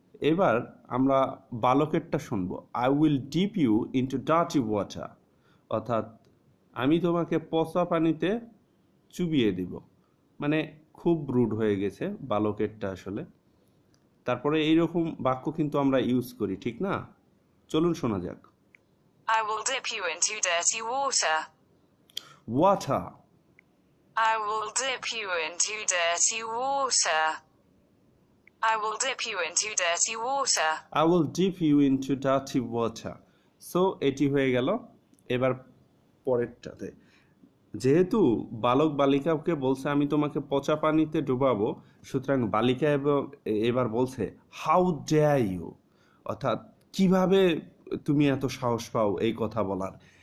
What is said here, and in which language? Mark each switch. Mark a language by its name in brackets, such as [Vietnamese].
[Bangla] এবার আমরা বালকেরটা শুনবো, [English] I will dip you into dirty water, [Bangla] অর্থাৎ আমি তোমাকে পচা পানিতে চুবিয়ে দিব, মানে খুব রুড হয়ে গেছে বালকেরটা আসলে। তারপরে এইরকম বাক্য কিন্তু আমরা ইউজ করি, ঠিক না? চলুন শোনা যাক। [English] I will dip you into dirty water. Water. I will dip you into dirty water. I will dip you into dirty water. I will dip you into dirty water. [Bangla] So, এটি হয়ে গেল। এবার পরেরটাতে, যেহেতু বালক বালিকাকে বলছে আমি তোমাকে পচা পানিতে ডুবাবো, সুতরাং বালিকা এবার বলছে, [English] how dare you, [Bangla] অর্থাৎ কিভাবে তুমি এত সাহস পাও এই কথা বলার।